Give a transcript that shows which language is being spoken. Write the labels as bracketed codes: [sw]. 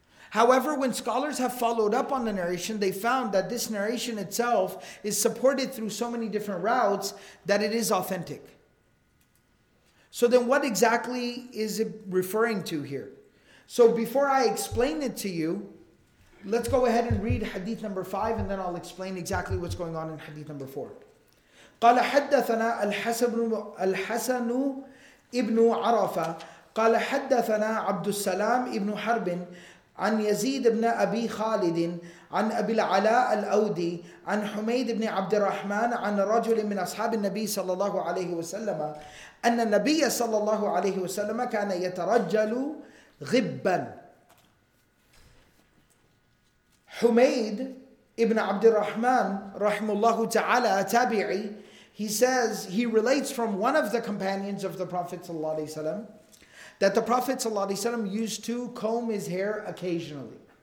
[en] However, when scholars have followed up on the narration, they found that this narration itself is supported through so many different routes that it is authentic. So then what exactly is it referring to here? So before I explain it to you, let's go ahead and read hadith number 5 and then I'll explain exactly what's going on in hadith number 4. [ar] قال حدثنا الحسن ابن عرفة قال حدثنا عبد السلام ابن حرب عن يزيد بن أبي خالد عن أبي العلاء الأودي عن حميد بن عبد الرحمن عن رجل من أصحاب النبي صلى الله عليه وسلم أن النبي صلى الله عليه وسلم كان يترجل غبا. [en] حميد ابن عبد الرحمن [ar] رحمه الله تعالى تابعي, [en] he says, he relates from one of the companions of the Prophet ﷺ that the Prophet ﷺ used to comb his hair occasionally.